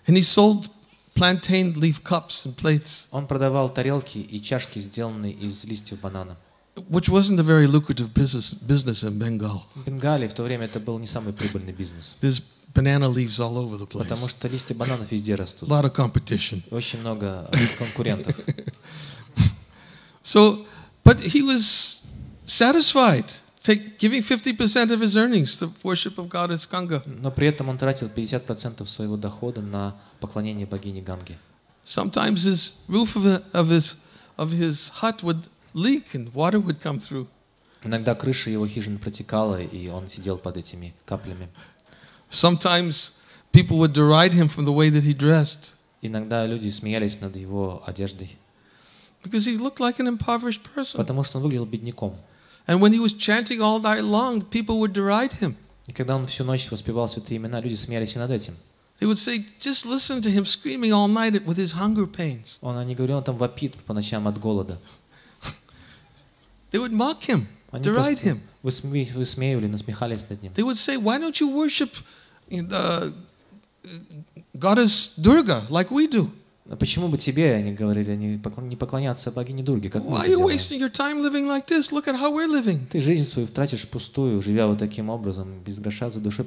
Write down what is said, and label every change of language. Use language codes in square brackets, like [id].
[en] And he sold plantain leaf cups and plates. [ru] Он продавал тарелки и чашки, сделанные из листьев банана. [en] Which wasn't a very lucrative business in Bengal. [ru] В Бенгале в то время это был не самый прибыльный бизнес. [en] There's banana leaves all over the place. [ru] Потому что листья бананов везде растут. [en] Lot of competition. [ru] Очень много конкурентов. [en] So, but he was satisfied. Giving 50% of his earnings to worship of goddess Ganga. [ru] Но при этом он тратил 50% своего дохода на поклонение богине Ганге. [en] Sometimes his roof of his hut would leak and water would come through. [ru] Иногда крыша его хижины протекала, и он сидел под этими каплями. [en] Sometimes people would deride him from the way that he dressed. [ru] Иногда люди смеялись над его одеждой. [en] Because he looked like an impoverished person. [ru] Потому что он выглядел бедняком. [en] And when he was chanting all night long, people would deride him. [ru] И когда он всю ночь воспевал святые имена, люди смеялись над этим. [en] They would say, "Just listen to him screaming all night with his hunger pains." [ru] Он они говорили, он там вопит по ночам от голода. [en] They would mock him, deride him. [ru] Высмеивали, насмехались над ним. [en] They would say, "Why don't you worship the goddess Durga like we do?" [ru] Почему бы тебе, они говорили, не поклоняться богине Дурге, как мы это делаем? Like ты жизнь свою тратишь пустую, живя вот таким образом, без гроша за душой.